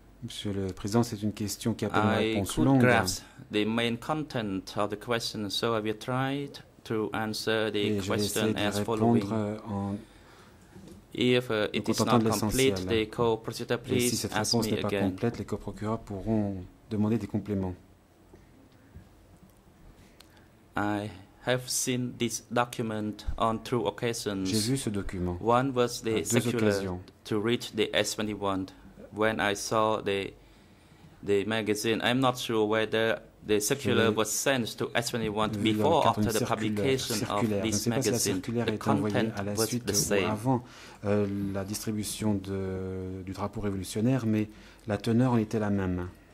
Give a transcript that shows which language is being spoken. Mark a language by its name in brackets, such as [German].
[French] Monsieur le Président, c'est une question qui appelle une réponse longue. [English] I could grasp the main content of the question, so I will try to answer the question as following. If it is not complete, the co-procureur, please ask me again. [French] Si cette réponse n'est pas complète, les co-procureurs pourront demander des compléments. [English] I have seen this document on two occasions. [French] J'ai vu ce document. [English] One was the circular to reach the S21. When I saw the magazine, I'm not sure whether the circular was sent to S21 before or after the publication of this magazine. The content was the same. [French] Avant la distribution du drapeau révolutionnaire, mais la teneur en était la même.